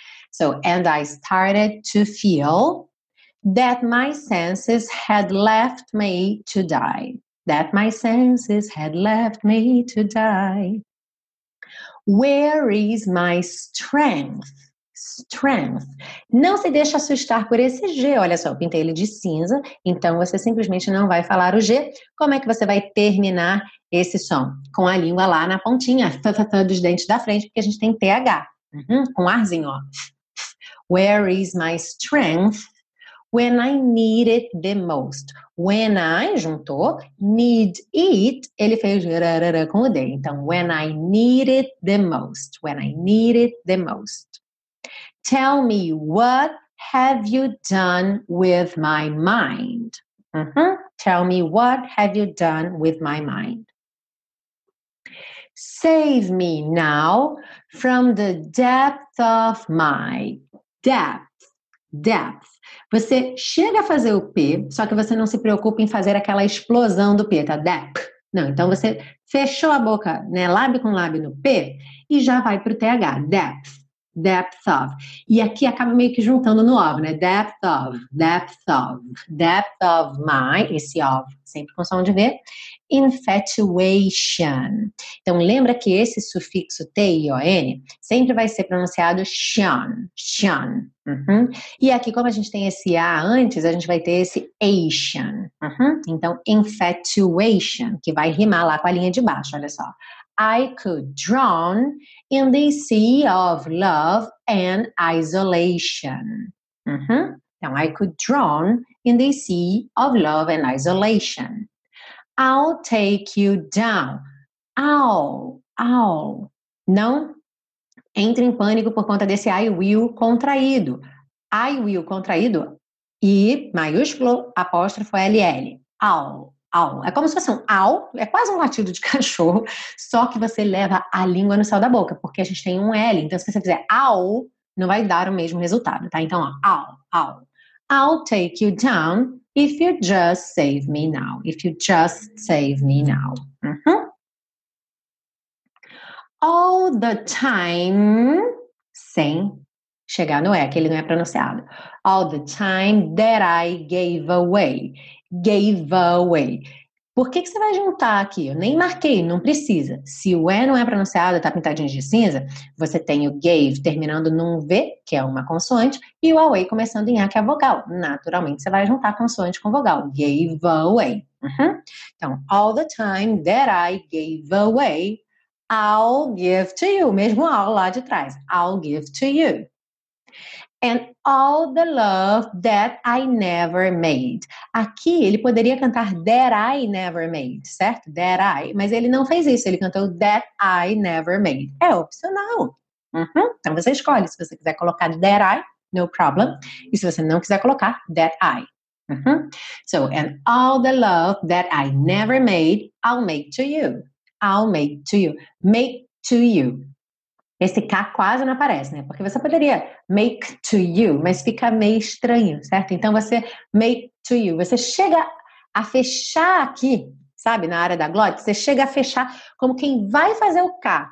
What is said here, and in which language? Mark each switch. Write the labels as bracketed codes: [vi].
[en] So, and I started to feel that my senses had left me to die. That my senses had left me to die. Where is my strength? Strength. [pt] Não se deixe assustar por esse G. Olha só, eu pintei ele de cinza, então você simplesmente não vai falar o G. Como é que você vai terminar esse som? Com a língua lá na pontinha, dos dentes da frente, porque a gente tem TH. Uhum, com arzinho, ó. [en] Where is my strength? When I need it the most. When I, juntou, need it, [pt] ele fez rarara com o D. [en] Então, when I need it the most. When I need it the most. Tell me, what have you done with my mind? Uh-huh. Tell me, what have you done with my mind? Save me now from the depth of my depth. depth. [pt] Você chega a fazer o P, só que você não se preocupa em fazer aquela explosão do P, tá? Depth. Não, então você fechou a boca, né, lábio com lábio no P e já vai pro TH. Depth. Depth of. E aqui acaba meio que juntando no of, né? [en] Depth of. Depth of. Depth of my, [pt] esse of, sempre com som de V. [en] Infatuation. [pt] Então, lembra que esse sufixo T-I-O-N sempre vai ser pronunciado shan. Shan. Uhum. E aqui, como a gente tem esse A antes, a gente vai ter esse ation. Uhum. Então, infatuation, que vai rimar lá com a linha de baixo, olha só. [en] I could drown in the sea of love and isolation. Uhum. Então, I could drown in the sea of love and isolation. I'll take you down. I'll, I'll. [pt] Não entre em pânico por conta desse I will contraído. [en] I will [pt] contraído e maiúsculo apóstrofo LL. I'll. Au. É como se fosse um au, é quase um latido de cachorro, só que você leva a língua no céu da boca, porque a gente tem um L. Então, se você fizer au, não vai dar o mesmo resultado, tá? Então, ó, au, au. [en] I'll take you down if you just save me now. If you just save me now. Uh-huh. All the time, [pt] sem chegar no E, que ele não é pronunciado. [en] All the time that I gave away. Gave away. [pt] Por que que você vai juntar aqui? Eu nem marquei, não precisa. Se o E não é pronunciado, tá pintadinho de cinza, você tem o gave terminando num V, que é uma consoante, e o away começando em A, que é a vogal. Naturalmente, você vai juntar consoante com vogal. [en] Gave away. Uhum. [pt] Então, [en] all the time that I gave away, I'll give to you. [pt] Mesmo all lá de trás. [en] I'll give to you. And all the love that I never made. [pt] Aqui, ele poderia cantar [en] that I never made, [pt] certo? [en] That I. [pt] Mas ele não fez isso. Ele cantou [en] that I never made. [pt] É opcional. Uhum. Então, você escolhe. Se você quiser colocar that I, [en] no problem. [pt] E se você não quiser colocar that I. Uhum. [en] So, and all the love that I never made, I'll make to you. I'll make to you. Make to you. [pt] Esse K quase não aparece, né? Porque você poderia [en] make to you, [pt] mas fica meio estranho, certo? Então, você [en] make to you. [pt] Você chega a fechar aqui, sabe? Na área da glote, você chega a fechar como quem vai fazer o K.